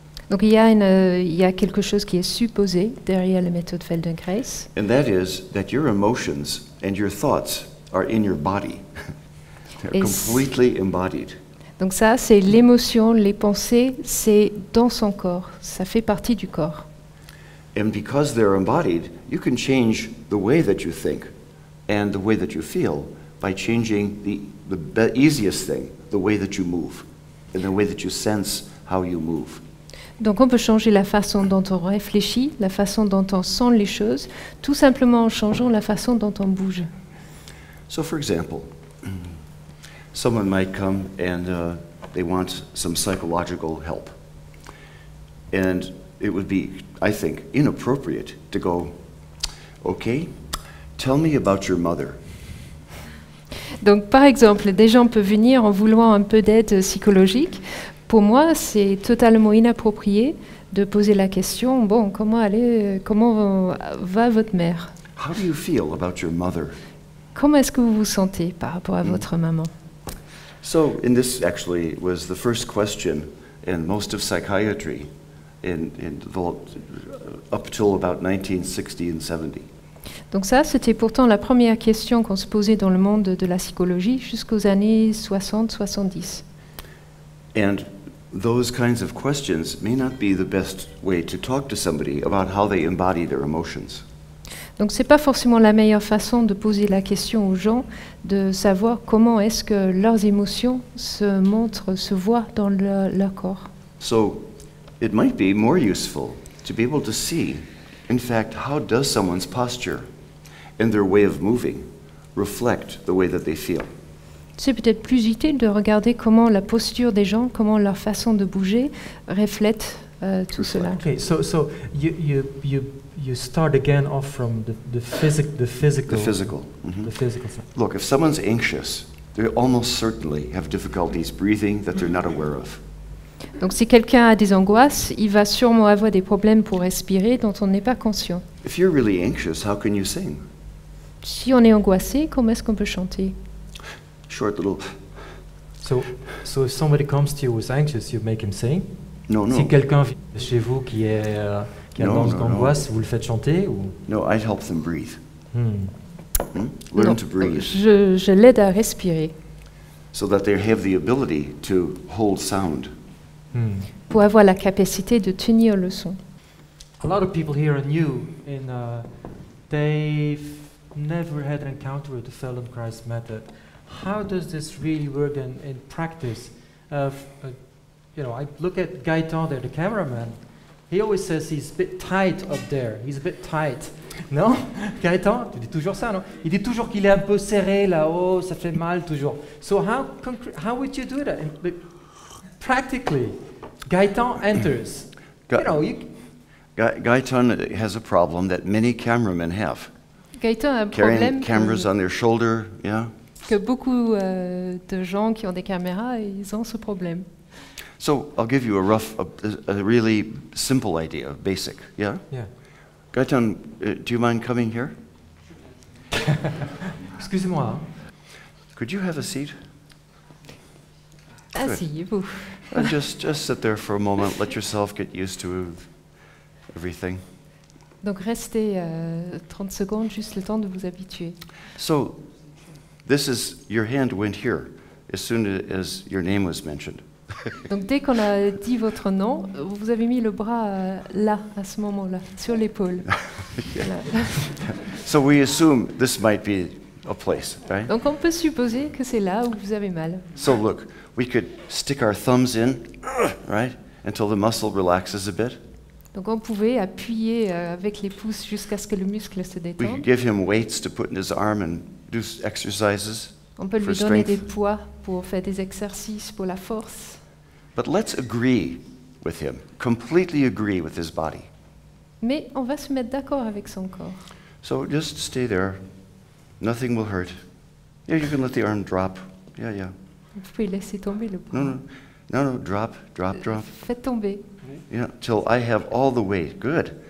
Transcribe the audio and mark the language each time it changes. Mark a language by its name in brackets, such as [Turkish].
[French] Donc il y a quelque chose qui est supposé derrière la méthode Feldenkrais. [English] And that is that your emotions and your thoughts are in your body. They're [French] Et [English] completely embodied. [French] Donc ça, c'est l'émotion, les pensées, c'est dans son corps. Ça fait partie du corps. [English] And because they're embodied, you can change the way that you think and the way that you feel by changing the easiest thing, the way that you move and the way that you sense how you move. [French] Donc on peut changer la façon dont on réfléchit, la façon dont on sent les choses, tout simplement en changeant la façon dont on bouge. [English] So for example, someone might come and they want some psychological help. And it would be, I think, inappropriate to go, okay, tell me about your mother. [French] Donc, par exemple, des gens peuvent venir en voulant un peu d'aide psychologique. Pour moi, c'est totalement inapproprié de poser la question, bon, comment va votre mère? [English] How do you feel about your mother? [French] Comment est-ce que vous vous sentez par rapport à votre maman? [English] So, and this actually was the first question in most of psychiatry up till about 1960 and 70. [French] Donc ça, c'était pourtant la première question qu'on se posait dans le monde de la psychologie jusqu'aux années 60-70. [English] And those kinds of questions may not be the best way to talk to somebody about how they embody their emotions. [French] Donc c'est pas forcément la meilleure façon de poser la question aux gens de savoir comment est-ce que leurs émotions se montrent, se voient dans leur corps. [English] So it might be more useful to be able to see, in fact, how does someone's posture and their way of moving reflect the way that they feel. [French] C'est peut-être plus utile de regarder comment la posture des gens, comment leur façon de bouger reflète tout cela. [English] Okay, so you start again off from the physical. Mm-hmm. The physical side. Look, if someone's anxious, they almost certainly have difficulties breathing that they're not aware of. [French] Donc si quelqu'un a des angoisses, il va sûrement avoir des problèmes pour respirer dont on n'est pas conscient. [English] If you're really anxious, how can you sing? [French] Si on est angoissé, comment est-ce qu'on peut chanter? [English] Short little. So if somebody comes to you who's anxious, you make him sing? No. [French] Si quelqu'un vient chez vous qui a des angoisses. Vous le faites chanter ou? [English] No, I'd help them breathe. Learn to breathe. [French] Je l'aide à respirer. [English] So that they have the ability to hold sound. [French] Pour avoir la capacité de tenir le son. [English] A lot of people here are new and they've never had an encounter with the Feldenkrais method. How does this really work in practice? I look at Gaëtan there, the cameraman. He always says he's a bit tight up there. He's a bit tight. [French] Non? Gaëtan, tu dis toujours ça, non? Il dit toujours qu'il est un peu serré là-haut, ça fait mal toujours. [English] So how would you do that? Practically, Gaëtan enters. Gaëtan has a problem that many cameramen have. [French] Gaëtan a [English] carrying [French] problème [English] cameras on their shoulder, yeah. [French] Que beaucoup de gens qui ont des caméras, ils ont ce problème. [English] So I'll give you a really simple idea, basic, yeah. Yeah. Gaëtan, do you mind coming here? [French] Excusez-moi. [English] Could you have a seat? [French] Asseyez-vous. [English] Just sit there for a moment. Let yourself get used to everything. [French] Donc restez 30 secondes, juste le temps de vous habituer. [English] So, this is your hand went here as soon as your name was mentioned. [French] Donc dès qu'on a dit votre nom, vous avez mis le bras là, à ce moment-là, sur l'épaule. [English] So we assume this might be a place, right? [French] Donc on peut supposer que c'est là où vous avez mal. [English] So look, we could stick our thumbs in, right, until the muscle relaxes a bit. [French] Donc on pouvait appuyer avec les pouces jusqu'à ce que le muscle se détende. [English] We could give him weights to put in his arm and do exercises. [French] On peut lui donner des poids pour faire des exercices pour la force. [English] But let's agree with him, completely agree with his body. [French] Mais on va se mettre d'accord avec son corps. [English] So just stay there. Nothing will hurt. Yeah, you can let the arm drop. Yeah. [French] Vous pouvez laisser tomber le poids. [English] No. Drop. [French] Faites tomber. [English] Yeah, till I have all the weight. Good.